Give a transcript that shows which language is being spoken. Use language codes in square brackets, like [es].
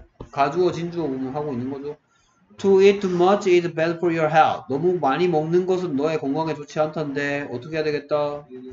[ko] 가주어 진주어 공부하고 있는 거죠. [en] To eat too much is bad for your health. [ko] 너무 많이 먹는 것은 너의 건강에 좋지 않던데 어떻게 해야 되겠다?